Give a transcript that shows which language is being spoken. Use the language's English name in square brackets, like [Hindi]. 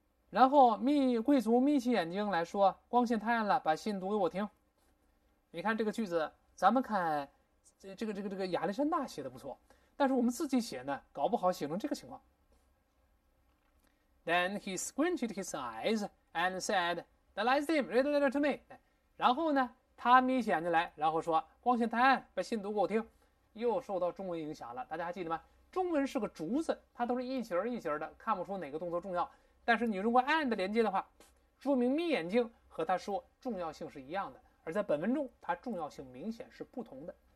[Chinese] 然后密贵族眯起眼睛来说，光线太暗了，把信读给我听。你看这个句子，咱们看这个亚历山大写的不错，但是我们自己写呢，搞不好写成这个情况。 [English] Then he squinted his eyes and said, "The light's dim, read a letter to me." [Chinese] 然后呢，他眯起眼睛来，然后说，光线太暗，把信读给我听。又受到中文影响了，大家还记得吗？中文是个竹子，它都是一节一节的，看不出哪个动作重要。但是你如果 and 连接的话，说明眯眼睛和他说重要性是一样的，而在本文中它重要性明显是不同的。